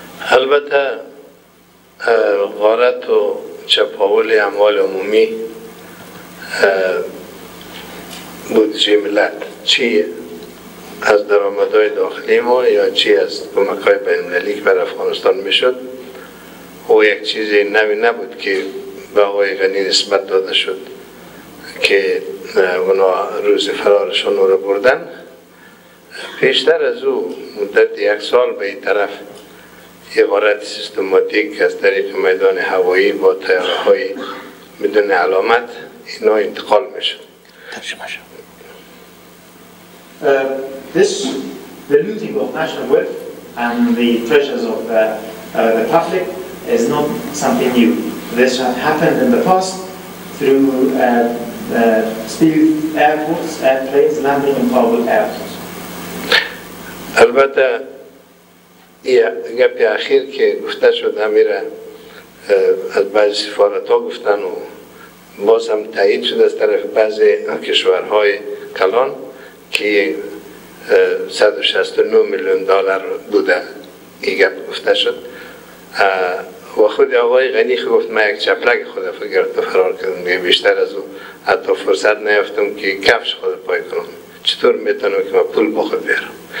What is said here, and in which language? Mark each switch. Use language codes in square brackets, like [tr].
[fa] البته غارت و چپاول اموال عمومی بودجه ملت چیه؟ از درآمدهای داخلی ما یا چی از کمک‌های بین‌المللی بر افغانستان میشد؟ او یک چیز نوی نبود که به آقای غنی نسبت داده شد که اونا روز فرارشان رو بردن. پیشتر از او مدت یک سال به این طرف عبارت سیستماتیک از طریق میدان هوایی با طیاره‌های بدون علامت اینا انتقال میشد. ترجمه شد. [en] This diluting of national wealth and the treasures of the public is not something new. This had happened in the past through stealth airports, airplanes landing in Kabul airports. [fa] البته گپی اخیر که گفته شد امیر از بعضی سفارت ها گفتن و باز هم تایید شد از طرف بعضی کشورهای کلان که 169 میلیون دلار بوده، این گپ گفته شد و خود آقای غنی گفت من یک چپلک خود فرگرد و فرار کردم، بیشتر از اون حتی فرصت نیافتم که کفش خود پای کنم، چطور میتونم که من پول بخود بیارم.